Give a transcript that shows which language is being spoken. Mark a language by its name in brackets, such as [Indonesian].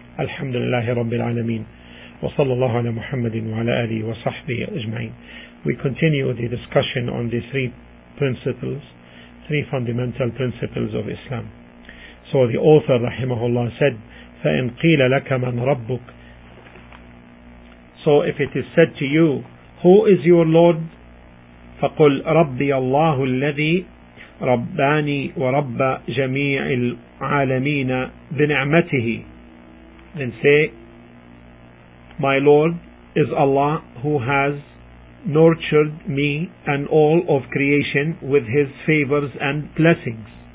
[Arabic] الحمد لله رب العالمين وصلى الله على محمد وعلى آله وصحبه أجمعين. [English] We continue the discussion on the three principles, three fundamental principles of Islam. So the author [Arabic] رحمه الله [English] said, [Arabic] فَإِنْ قِيلَ لَكَ مَنْ رَبُّكَ. [English] So if it is said to you, who is your Lord? [Arabic] فَقُلْ رَبِّيَ اللَّهُ الَّذِي رَبَّانِي وَرَبَّ جَمِيعِ الْعَالَمِينَ بِنِعْمَتِهِ. [English] Then say, my Lord is Allah who has nurtured me and all of creation with His favors and blessings.